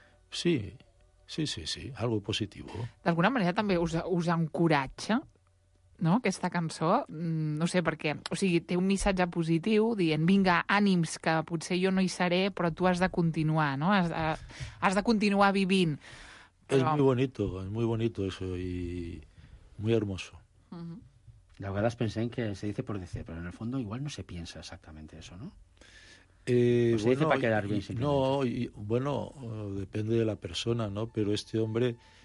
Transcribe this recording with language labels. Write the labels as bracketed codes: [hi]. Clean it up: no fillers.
[es] Sí, sí, sí, sí, algo positivo. [ca] D'alguna manera també us encoratja, no?, aquesta cançó, no sé per què. O sigui, té un missatge positiu dient, vinga, ànims, que potser jo no hi seré, però tu has de continuar, no? Has de continuar vivint. És però... [es] muy bonito eso, y muy hermoso. [ca] De vegades pensem que [es] se dice por decir, pero en el fondo igual no se piensa exactamente eso, ¿no? Se dice para quedar bien. Bueno, depende de la persona, ¿no? Pero este hombre...